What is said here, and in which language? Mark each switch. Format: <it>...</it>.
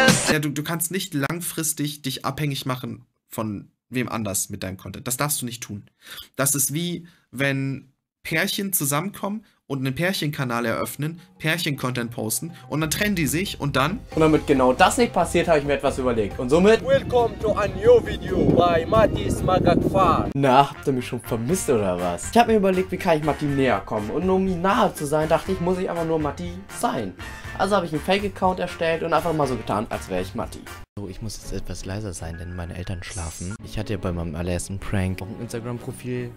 <de>Ja, du kannst nicht langfristig dich abhängig machen von wem anders mit deinem Content. Das darfst du nicht tun. Das ist wie, wenn Pärchen zusammenkommen und einen Pärchenkanal eröffnen, Pärchen-Content posten und dann trennen die sich und dann. Und damit genau das nicht passiert, habe ich mir etwas überlegt. Und somit.</de> <en>Welcome to a new video by Matis Magakfar.</en> <de>Na, habt ihr mich schon vermisst oder was? Ich habe mir überlegt, wie kann ich Matti näher kommen. Und um ihm nahe zu sein, dachte ich, muss ich einfach nur Matti sein. Also habe ich einen Fake-Account erstellt und einfach mal so getan, als wäre ich Matti. So, ich muss jetzt etwas leiser sein, denn meine Eltern schlafen. Ich hatte ja bei meinem allerersten Prank auch ein Instagram-Profil.</de>